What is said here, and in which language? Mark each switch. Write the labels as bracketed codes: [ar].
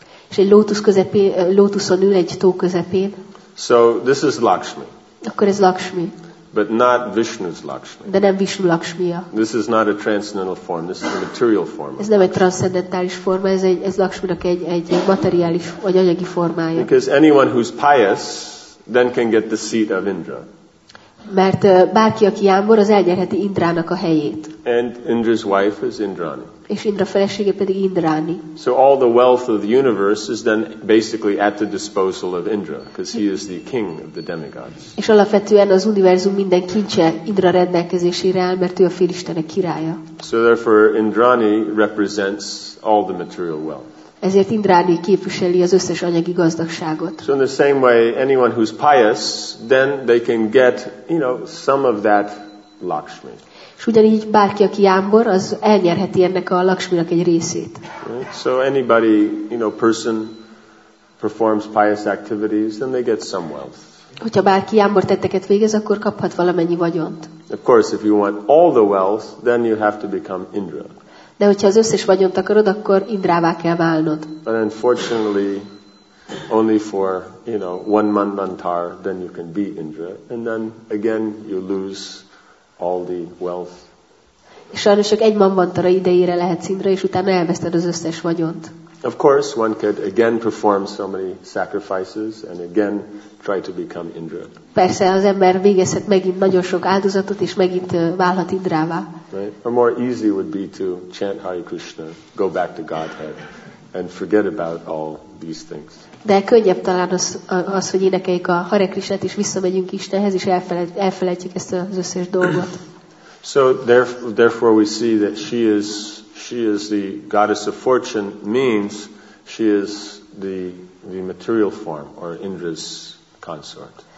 [hu] És egy lótusz közepén, lótuszon ül egy tó közepén. [en] So this is Lakshmi. [hu] Akkor ez Lakshmi. [en] But not Vishnu's Lakshmi. [hu] De nem Vishnu Lakshmi-ja. [en] This is not a transcendental form. This is a material form. [hu] Ez nem egy transzcendentális forma, ez Lakshminak egy materiális vagy anyagi formája. [en] Because anyone who's pious then can get the seat of Indra. [hu] Mert bárki, aki jámbor, az elnyerheti Indrának a helyét. [en] And Indra's wife is Indrani. [hu] És Indra felesége pedig Indrani. [en] So all the wealth of the universe is then basically at the disposal of Indra, because he is the king of the demigods. [hu] És alapvetően az univerzum minden kincse Indra rendelkezésére áll, mert ő a félistenek királya. [en] So therefore Indrani represents all the material wealth. [hu] Ezért Indrani képviseli az összes anyagi gazdagságot. [en] So in the same way, anyone who's pious, then they can get, you know, some of that Lakshmi. [hu] És ugyanígy bárki, aki jámbor, az elnyerheti ennek a Lakshminak egy részét. [en] Right? So anybody, you know, person performs pious activities, then they get some wealth. [hu] Hogyha bárki jámbor tetteket végez, akkor kaphat valamennyi vagyont. [en] Of course, if you want all the wealth, then you have to become Indra. [hu] De hogyha az összes vagyont akarod, akkor Indrává kell válnod. [en] But unfortunately, only for, you know, one manvantar, then you can be Indra. And then, again, you lose all the wealth. [hu] És sajnos csak egy manvantara idejére lehetsz Indra, és utána elveszted az összes vagyont. [en] Of course, one could again perform so many sacrifices, and again try to become Indra. [hu] Persze, az ember végezhet megint nagyon sok áldozatot, és megint válhat Indrává. [en] Right? Or more easy would be to chant Hare Krishna, go back to Godhead, and forget about all these things. [hu] De könnyebb talán az, hogy énekeljük a Hare Krishnát, és visszamegyünk Istenhez, és elfelejtjük ezt az összes dolgot. [en] So therefore we see that she is the goddess of fortune, means she is the material form, or Indra's consort.